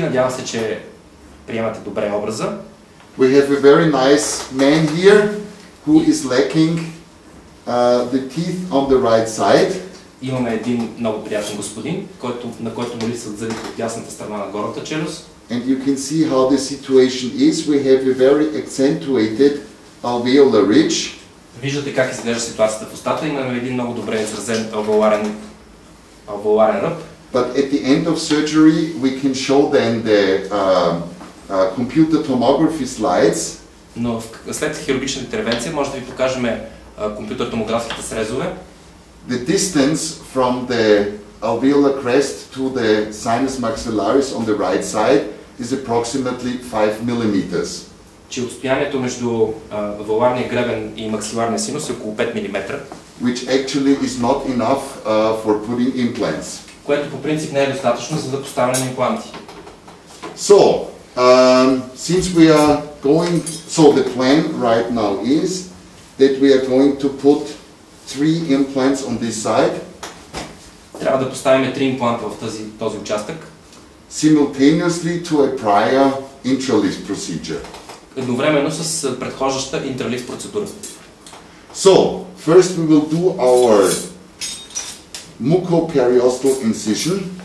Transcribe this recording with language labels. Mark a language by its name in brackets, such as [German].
[Bulgarian] Надявам се, че приемате добре образа. [English] We have a very nice man here who is lacking the teeth on the right side. [Bulgarian] Имаме един много приятен господин, на който му липсват зъби от дясната страна на горната челюст. [English] And you can see how the situation is. We have a very accentuated alveolar ridge. [Bulgarian] Виждате как изглежда ситуацията в устата. Имаме един много добре изразен алвеоларен ръб. [English] But at the end of surgery, we can show then the computer tomography slides. [Bulgarian] Но след хирургична интервенция може да ви покажем компютър томографските срезове. [English] The distance from the alveolar crest to the sinus maxillaris on the right side is approximately 5 mm. [Bulgarian] Че отстоянието между алвеоларния гребен и максиларния синус е около 5 мм. [English] Which actually is not enough for putting implants. [Bulgarian] Което по принцип не е достатъчно за да поставяме импланти. [English] So, since we are going, so the plan right now is that we are going to put 3 implants on this side. [Bulgarian] Трябва да поставим 3 импланта в този участък. [English] Simultaneously to a prior intralift procedure. [Bulgarian] Едновременно с предхождаща интралифт процедура. [English] So, first we will do our mucoperiosteal incision.